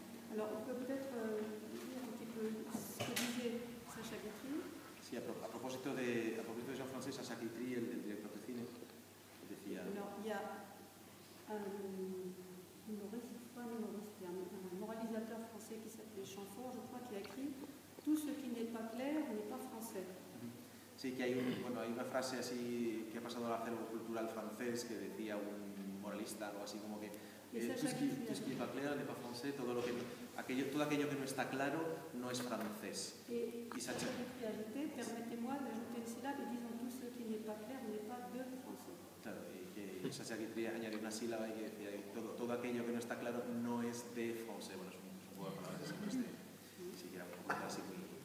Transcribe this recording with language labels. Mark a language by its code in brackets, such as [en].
[fr] Alors, on peut peut-être dire un petit peu ce que disait Sacha Guitry. Sí, à propos de Jean-François, Sacha Guitry, le directeur de cinéma, il disait. Alors, il y a un moralisateur français qui s'appelait Chamfort, je crois, qui a écrit Tout ce qui n'est pas clair n'est pas français. [es] Sí, que hay una frase así que ha pasado al acervo cultural francés que decía un moralista o así como que todo aquello que no está claro no es francés. [fr] Y Sacha Guitry ajouté, permettez-moi d'ajouter une syllabe et disons tout ce qui n'est pas clair n'est pas de français. [es] Claro, y que Sacha Guitry añadió una sílaba y que decía que todo aquello que no está claro no es de francés. Bueno, es un juego de palabras, así que si quiera un poco así muy...